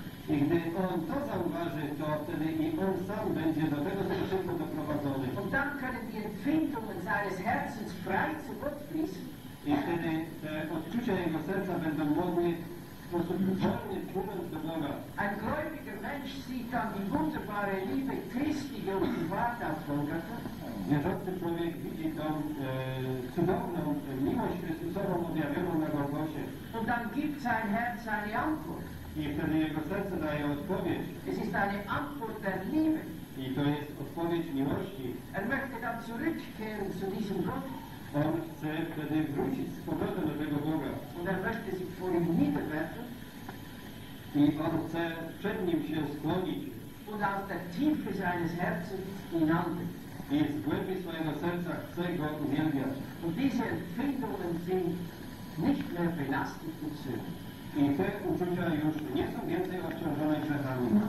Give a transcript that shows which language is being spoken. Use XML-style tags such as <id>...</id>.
<pl>I gdy on to zauważy, to wtedy i on sam będzie do tego spoczynku doprowadzony.</pl> <de>Und dann können die Empfindungen seines Herzens frei zu Gott fließen.</de> <pl>I wtedy te odczucia jego serca będą mogły w sposób wolny płynąć do Boga.</pl> <de>Ein gläubiger Mensch sieht dann die wunderbare Liebe Christi, die uns bewahrt hat, Golgatha.</de> <pl>Wierzący człowiek widzi tą cudowną miłość Chrystusową objawioną na Golgocie.</pl> <de>Und dann gibt sein Herz eine Antwort.</de> <pl>I wtedy jego serce daje odpowiedź.</pl> <de>Es ist eine Antwort der Liebe.</de> <pl>I to jest odpowiedź miłości.</pl> <de>Er möchte dann zurückkehren zu diesem Gott.</de> <pl>On chce wtedy wrócić z powrotem do tego Boga.</pl> <de>Und er möchte sich vor ihm niederwerfen.</de> <pl>I on chce przed nim się skłonić.</pl> <de>Und aus der Tiefe seines Herzens ihn anbeten.</de> <pl>I z głębi swojego serca chce go uwielbiać.</pl> <de>Und diese Empfindungen sind nicht mehr belastet und schön.</de> <pl>I te uczucia już nie są więcej obciążone grzechami.</pl>